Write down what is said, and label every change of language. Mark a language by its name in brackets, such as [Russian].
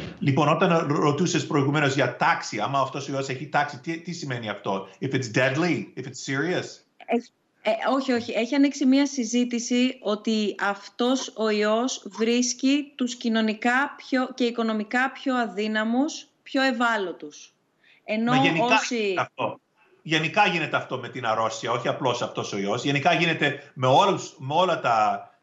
[Greek] Λοιπόν, όταν ρωτούσες προηγουμένως για τάξη, άμα αυτός ο ιός έχει τάξη, τι σημαίνει αυτό? [English] If it's deadly, if it's serious. [Greek] Όχι. Έχει ανοίξει μία συζήτηση ότι αυτός ο ιός βρίσκει τους κοινωνικά πιο, και οικονομικά πιο αδύναμους, πιο ευάλωτους. Ενώ μα γενικά όσοι... αυτό. Γενικά γίνεται αυτό με την αρρώστια, όχι απλώς αυτός ο ιός. Γενικά γίνεται με όλα τα